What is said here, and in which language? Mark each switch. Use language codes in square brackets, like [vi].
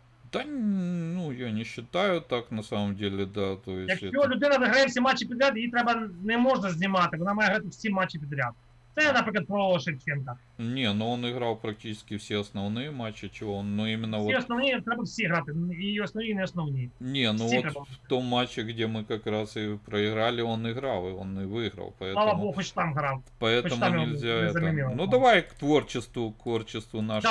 [uk] Та, ну, я не вважаю так, [ru] на самом деле, да. То есть [uk] якщо [ru] это... [uk] людина виграє всі матчі підряд, її треба не можна знімати, вона має грати всі матчі підряд. [ru] Это, например, про Шевченко. Не, ну он играл практически все основные матчи, чего он, ну, именно все вот... Все основные, надо все играть, и основные, и не основные. Не, ну все вот играли. В том матче, где мы как раз и проиграли, он играл, и он и выиграл, поэтому... Слава Богу, хоть там играл. Поэтому там нельзя не это... Заменил. Ну давай к творчеству, наших,